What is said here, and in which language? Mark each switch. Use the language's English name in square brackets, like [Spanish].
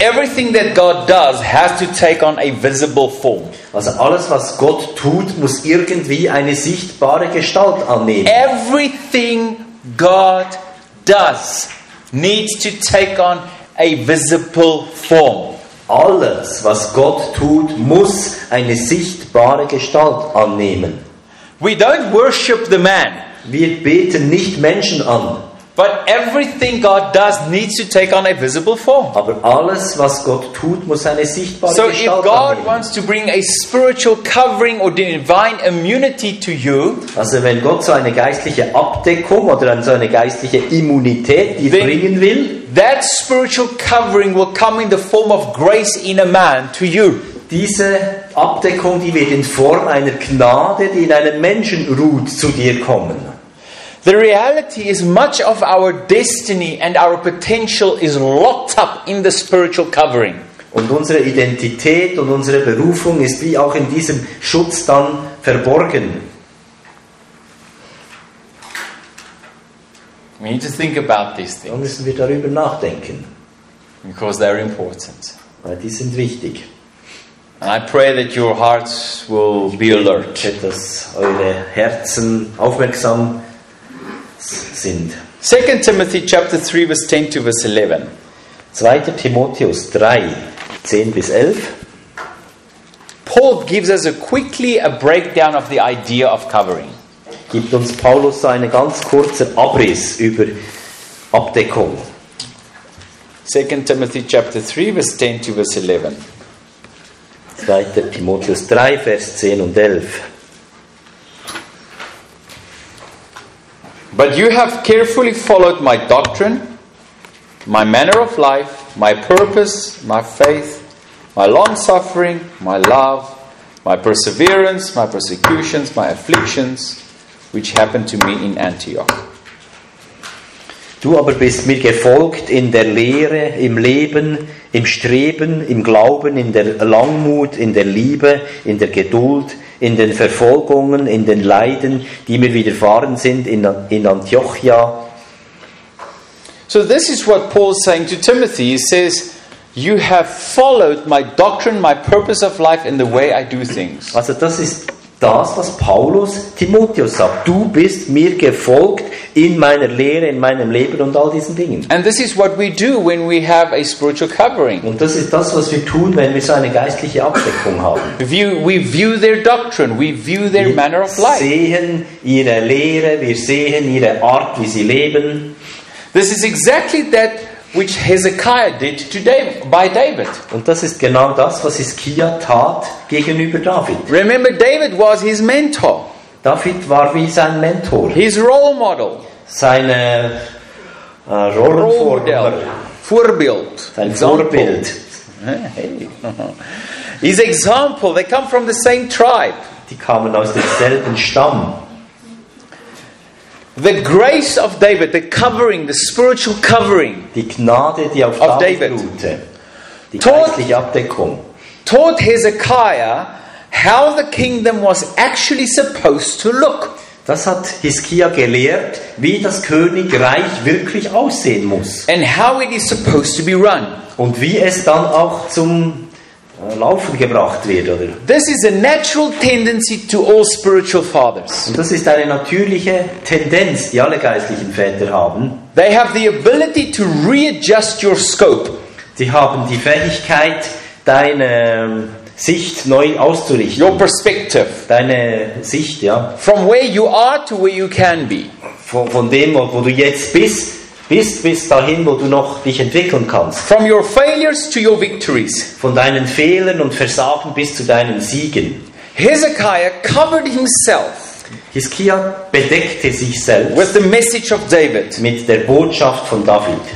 [English] Everything that God does has to take on a visible form. [German] Also alles, was Gott tut, muss irgendwie eine sichtbare Gestalt annehmen. [English] Everything God does needs to take on a visible form. [German] Alles, was Gott tut, muss eine sichtbare Gestalt annehmen. [English] We don't worship the man. [German] Wir beten nicht Menschen an. [English] But everything God does needs to take on a visible form. [German] Aber alles, was Gott tut, muss eine sichtbare [English] so [German] Gestalt [English] if God [German] annehmen. [English] Wants to bring a spiritual covering or divine immunity to you, [German] also wenn Gott so eine geistliche Abdeckung oder so eine geistliche Immunität dir bringen will, [English] that spiritual covering will come in the form of grace in a man to you. [German] Diese Abdeckung, die wird in Form einer Gnade, die in einem Menschen ruht, zu dir kommen. [English] The reality is much of our destiny and our potential is locked up in the spiritual covering. [German] Und unsere Identität und unsere Berufung ist wie auch in diesem Schutz dann verborgen. [English] We need to think about these things. [German] Dann müssen wir darüber nachdenken. [English] Because they're important. [German] Weil die sind wichtig. [English] And I pray that your hearts will be alert. [German] Dass eure Herzen aufmerksam sind. [English] 2 Timothy chapter 3 verse 10 to verse 11. [German] 2. Timotheus 3, 10 bis 11. [English] Paul gives us a quickly a breakdown of the idea of covering. [German] Gibt uns Paulus eine ganz kurze Abriss über Abdeckung. [English] 2 Timothy chapter 3 verse 10 to verse 11. [German] 2. Timotheus 3 vers 10 und 11. [English] But you have carefully followed my doctrine, my manner of life, my purpose, my faith, my long suffering, my love, my perseverance, my persecutions, my afflictions, which happened to me in Antioch. [German] Du aber bist mir gefolgt in der Lehre, im Leben, im Streben, im Glauben, in der Langmut, in der Liebe, in der Geduld, in den Verfolgungen, in den Leiden, die mir widerfahren sind in Antiochia. [English] So this is what Paul is saying to Timothy. He says, You have followed my doctrine, my purpose of life and the way I do things. [German] Also das ist das, was Paulus Timotheus sagt. Du bist mir gefolgt in meiner Lehre, in meinem Leben und all diesen Dingen. [English] And this is what we do when we have a spiritual covering. [German] Und das ist das, was wir tun, wenn wir so eine geistliche Abdeckung haben. [English] We view their doctrine, we view their manner of life. [German] Wir sehen ihre Lehre, wir sehen ihre Art, wie sie leben. [English] This is exactly that which Hezekiah did to David, by David. [German] Und das ist genau das, was Hiskia tat gegenüber David. [English] Remember, David was his mentor. [German] David war wie sein Mentor. [English] His role model. [German] Seine Rollenvorbilder. Vorbild. Sein Vorbild. [English] Hey. His example. They come from the same tribe. [German] Die kamen aus demselben Stamm. [English] The grace of David, the covering, the spiritual covering, [German] die Gnade, die auf [English] of David [German] ruhte, die geistliche Abdeckung, [English] taught Hezekiah how the kingdom was actually supposed to look. [German] Das hat Hiskia gelehrt, wie das Königreich wirklich aussehen muss. [English] And how it is supposed to be run. [German] Und wie es dann auch zum Laufen gebracht wird, oder? [English] This is a natural tendency to all spiritual fathers. [German] Und das ist eine natürliche Tendenz, die alle geistlichen Väter haben. [English] They have the ability to readjust your scope. [German] Sie haben die Fähigkeit, deine Sicht neu auszurichten. [English] Your perspective. [German] Deine Sicht, ja. [English] From where you are to where you can be. [German] Von dem, wo du jetzt bist. Bis dahin, wo du noch dich entwickeln kannst. [English] From your failures to your victories. [German] Von deinen Fehlern und Versagen bis zu deinen Siegen. [English] Hezekiah covered himself. [German] Hiskia bedeckte sich selbst. [English] With the message of David. [German] Mit der Botschaft von David.